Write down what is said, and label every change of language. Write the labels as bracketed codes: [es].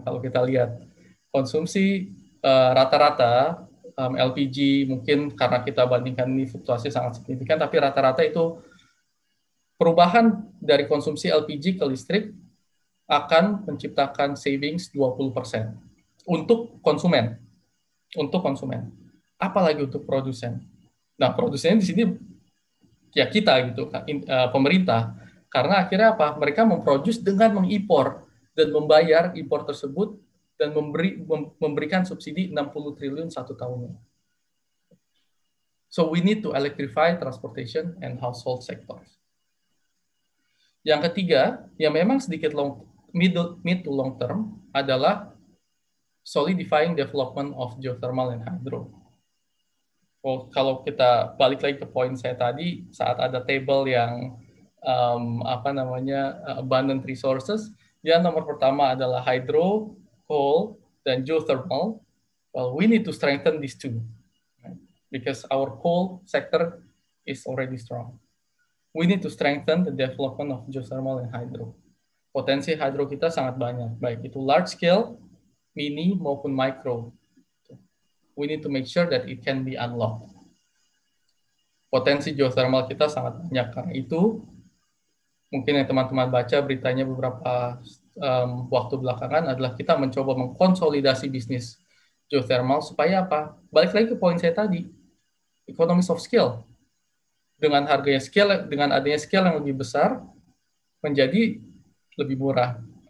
[id] Kalau kita lihat konsumsi rata-rata LPG, mungkin karena kita bandingkan ini fluktuasi sangat signifikan, tapi rata-rata itu perubahan dari konsumsi LPG ke listrik akan menciptakan savings 20% untuk konsumen, apalagi untuk produsen. Nah, produsennya di sini ya kita gitu, pemerintah, karena akhirnya apa? Mereka memproduce dengan mengimpor dan membayar impor tersebut dan memberikan subsidi 60 triliun satu tahunnya. [en] So we need to electrify transportation and household sectors. [id] Yang ketiga, yang memang sedikit [en] mid to long term adalah solidifying development of geothermal and hydro. [id] Well, kalau kita balik lagi ke poin saya tadi, saat ada table yang abundant resources, yang nomor pertama adalah hydro, coal, dan geothermal. [en] Well, we need to strengthen these two, right? Because our coal sector is already strong. We need to strengthen the development of geothermal and hydro. [id] Potensi hydro kita sangat banyak, baik itu large scale, mini maupun micro. [en] We need to make sure that it can be unlocked. [id] Potensi geothermal kita sangat banyak. Karena itu, mungkin yang teman-teman baca beritanya beberapa waktu belakangan adalah kita mencoba mengkonsolidasi bisnis geothermal supaya apa? Balik lagi ke poin saya tadi, economies of scale. Dengan harganya scale, dengan adanya scale yang lebih besar, menjadi lebih murah.